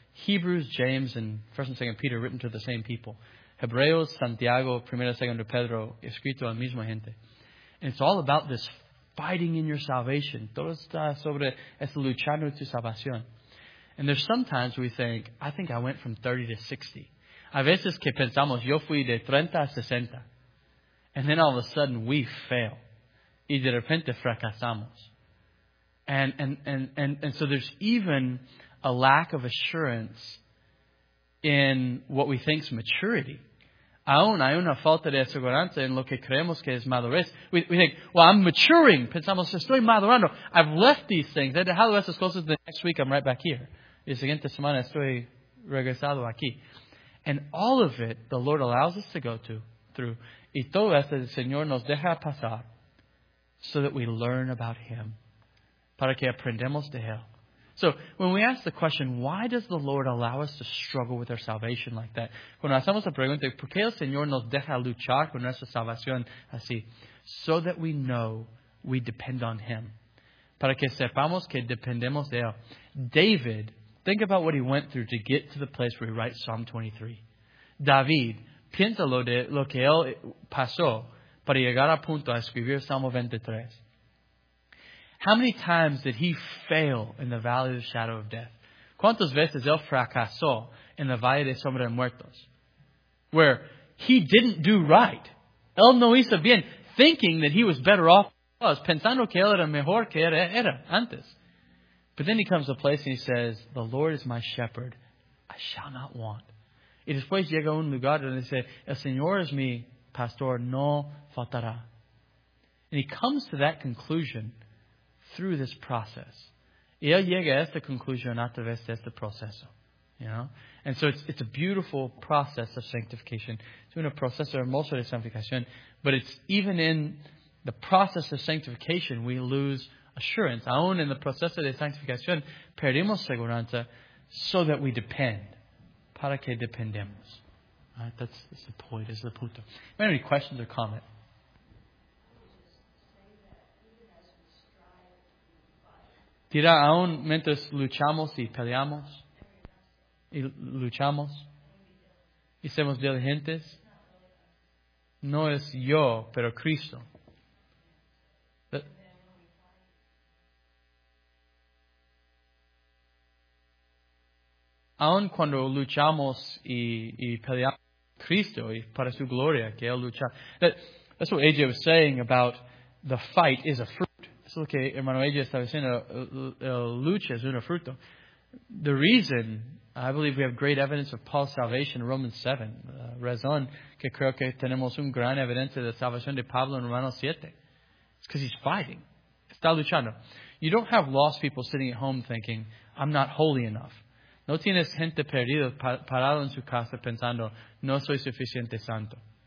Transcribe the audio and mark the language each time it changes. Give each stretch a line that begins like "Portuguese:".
English: Hebrews, James, and 1st and 2nd Peter written to the same people.
Spanish: Hebreos, Santiago, 1st and 2nd Pedro, escrito a la misma gente.
English: And it's all about this fighting in your salvation.
Spanish: Todo está sobre este luchando tu salvación.
English: And there's sometimes we think, I think I went from 30 to 60.
Spanish: A veces que pensamos, yo fui de 30 a 60.
English: And then all of a sudden we fail.
Spanish: Y de repente fracasamos.
English: And so there's even a lack of assurance in what we think is maturity.
Spanish: Aún hay una falta de seguridad en lo que creemos que es madurez.
English: We think, well, I'm maturing.
Spanish: Pensamos, estoy madurando.
English: I've left these things. I've
Spanish: dejado esas cosas.
English: The next week, I'm right back here.
Spanish: Y la siguiente semana, estoy regresado aquí.
English: And all of it, the Lord allows us to go through.
Spanish: Y todo esto, el Señor nos deja pasar
English: so that we learn about Him.
Spanish: Para que aprendamos de Él.
English: So, when we ask the question, why does the Lord allow us to struggle with our salvation like that?
Spanish: Cuando hacemos la pregunta, ¿por qué el Señor nos deja luchar con nuestra salvación así?
English: So that we know we depend on Him.
Spanish: Para que sepamos que dependemos de Él.
English: David, think about what he went through to get to the place where he writes Psalm 23.
Spanish: David, piensa lo que él pasó para llegar a punto a escribir Salmo 23.
English: How many times did he fail in the valley of the shadow of death?
Spanish: ¿Cuántas veces él fracasó en la valle de sombra de muertos?
English: Where he didn't do right.
Spanish: Él no hizo bien,
English: thinking that he was better off than he was,
Spanish: pensando que él era mejor que era antes.
English: But then he comes to a place and he says, the Lord is my shepherd, I shall not want.
Spanish: Y después llega un lugar donde dice, el Señor es mi pastor, no faltará.
English: And he comes to that conclusion through this process.
Spanish: Y él llega a esta conclusión a través de este proceso.
English: You know? And so it's a beautiful process of sanctification. It's
Spanish: un proceso hermoso de sanctificación.
English: But it's even in the process of sanctification we lose assurance.
Spanish: Aún en el proceso de sanctificación perdimos seguridad
English: so that we depend.
Spanish: para que dependemos.
English: Right? That's the point, is the punto. Any questions or comments?
Spanish: Dirá, aún mientras luchamos y peleamos, y luchamos, y somos diligentes, no es yo, pero Cristo. Aún cuando luchamos y peleamos, Cristo, y para su gloria, que Él lucha.
English: That's what AJ was saying about the fight is a fruit.
Spanish: Eso es lo que hermano ella estaba diciendo, el lucha es un fruto.
English: The reason, I believe we have great evidence of Paul's salvation in Romans 7.
Spanish: Razón que creo que tenemos un gran evidencia de salvación de Pablo en Romanos 7.
English: It's because he's fighting.
Spanish: Está luchando.
English: You don't have lost people sitting at home thinking, I'm not holy enough.
Spanish: No tienes gente perdida parado en su casa pensando, no soy suficiente santo.